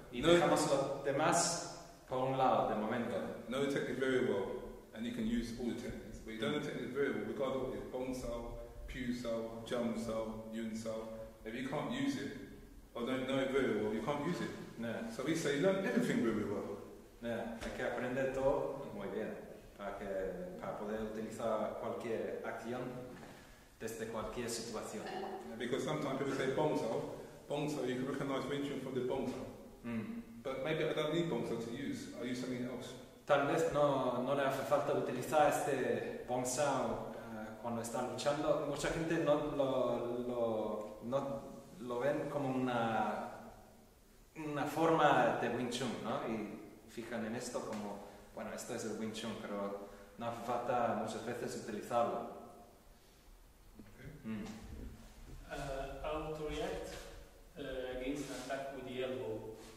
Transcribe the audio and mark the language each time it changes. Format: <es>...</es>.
<es>Y dejamos lo demás por un lado de momento.</es> <en>Know the technique very well, and you can use all the techniques. but you don't detect the variable regardless of bonsal, pusal, jumsal, yunsal. If you can't use it or don't know it very well, you can't use it. Yeah. So we say you learn everything really well.</en> <es>Yeah, hay que aprender todo muy bien para poder utilizar cualquier acción desde cualquier situación.</es> <en>Yeah, because sometimes people say bonsal, bonsal, you can recognize Wingchun from the bonsal. Mm. But maybe I don't need bonsal to use, I use something else.</en> <es>Tal vez no le hace falta utilizar este bonsal cuando está luchando. Mucha gente no lo ven como una forma de Wing Chun, ¿no? Y fijan en esto como, bueno, esto es el Wing Chun, pero no hace falta muchas veces utilizarlo.</es> <en>Okay. Mm. How to react against an attack with the elbow?</en>